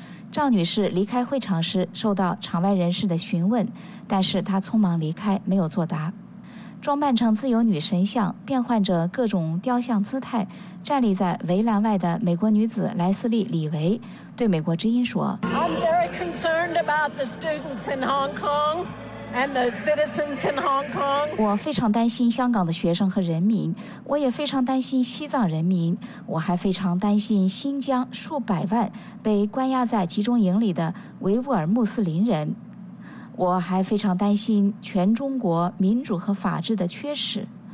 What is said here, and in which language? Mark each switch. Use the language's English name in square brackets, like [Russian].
[Chinese] 赵女士离开会场时受到场外人士的询问，但是她匆忙离开，没有作答。装扮成自由女神像，变换着各种雕像姿态，站立在围栏外的美国女子莱斯利·李维对美国之音说 [English] I'm very concerned about the students in Hong Kong and the citizens in Hong Kong. [Chinese] 我非常担心香港的学生和人民，我也非常担心西藏人民，我还非常担心新疆数百万被关押在集中营里的维吾尔穆斯林人，我还非常担心全中国民主和法治的缺失。